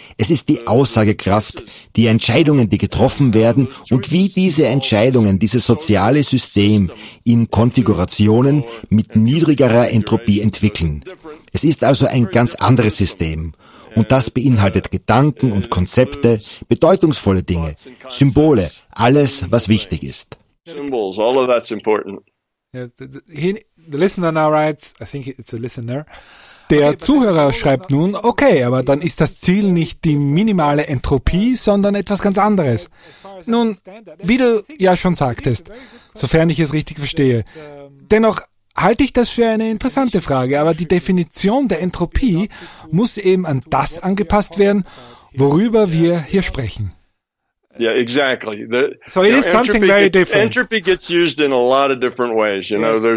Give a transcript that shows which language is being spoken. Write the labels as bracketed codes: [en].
[de] Es ist die Aussagekraft, die Entscheidungen, die getroffen werden und wie diese Entscheidungen, dieses soziale System in Konfigurationen mit niedrigerer Entropie entwickeln. Es ist also ein ganz anderes System. Und das beinhaltet Gedanken und Konzepte, bedeutungsvolle Dinge, Symbole, alles, was wichtig ist. [en] Symbols, all of that's important. The listener now writes, I think it's a listener. [de] Der Zuhörer schreibt nun, okay, aber dann ist das Ziel nicht die minimale Entropie, sondern etwas ganz anderes. Nun, wie du ja schon sagtest, sofern ich es richtig verstehe, dennoch halte ich das für eine interessante Frage, aber die Definition der Entropie muss eben an das angepasst werden, worüber wir hier sprechen. [en] Yeah, exactly. So it is something very different. Entropy gets used in a lot of different ways, you know.